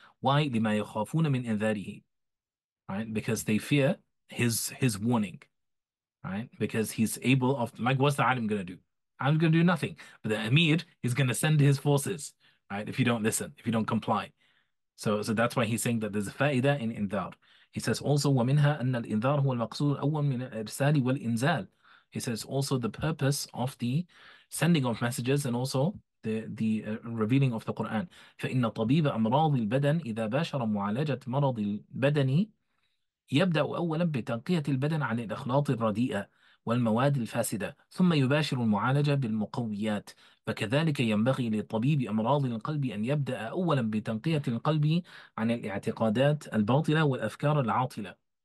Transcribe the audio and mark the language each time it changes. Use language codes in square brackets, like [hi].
[en] Why? [ar] لِمَا يَخَافُونَ مِنْ إِنذَارِهِ. [en] Right? Because they fear his warning. Right, because he's able of, like, what's the alim gonna do? I'm gonna do nothing, but the Amir is gonna send his forces, right? If you don't listen, if you don't comply, so that's why he's saying that there's a fa'ida in indhar. He says also [ar] وَمِنْهَا أَنَّ الْإِنذَارُ هُوَ الْمَقْصُودُ أَوَّلٌ مِنَ الْإِرْسَالِ وَالْإِنْزَالِ. [en] He says also the purpose of the sending of messages and also the revealing of the Quran. [ar] فَإِنَّ طَبِيبَ أَمْرَاضِ الْبَدَنِ إِذَا بَشَرَ مُعَالَجَةَ مَرَضِ الْبَدَنِ يبدأ أولا بتنقية البدن عن الأخلاط الرديئة والمواد الفاسدة ثم يباشر المعالجة بالمقويات فكذلك ينبغي للطبيب أمراض القلب أن يبدأ أولا بتنقية القلب عن الاعتقادات الباطلة والأفكار العاطلة.